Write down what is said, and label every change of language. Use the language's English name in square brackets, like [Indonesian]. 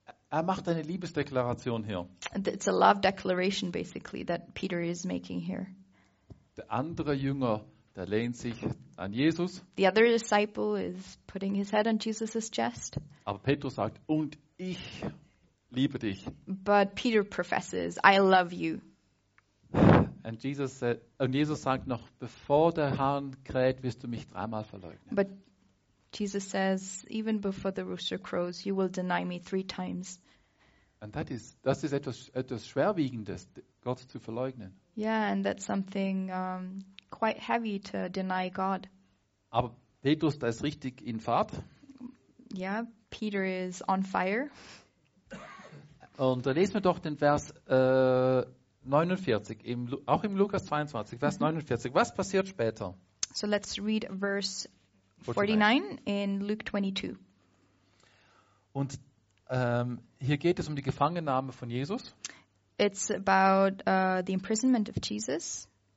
[German] Er macht eine Liebesdeklaration hier. [English] And it's a love declaration, basically, that Peter is making here. [German] Der andere Jünger, der lehnt sich an Jesus. [English] The other disciple is putting his head on Jesus' chest. [German] Aber Petrus sagt, und ich liebe dich. [English] But Peter professes, I love you. [German] Und Jesus sagt noch, bevor der Hahn kräht, wirst du mich dreimal verleugnen. [English] But Jesus says, even before the rooster crows, you will deny me three times. And that is [German] etwas Schwerwiegendes, Gott zu verleugnen. [English] Yeah, and that's something quite heavy to deny God. [German] Aber Petrus, da ist richtig in Fahrt. [English] Yeah, Peter is on fire. [German] Und da lesen wir doch den Vers 49, auch im Lukas 22, Vers 49. Was passiert später? [English] So let's read verse 49 in Luke 22. [German] Und hier geht es um die Gefangennahme von Jesus. [English] It's about the imprisonment of Jesus.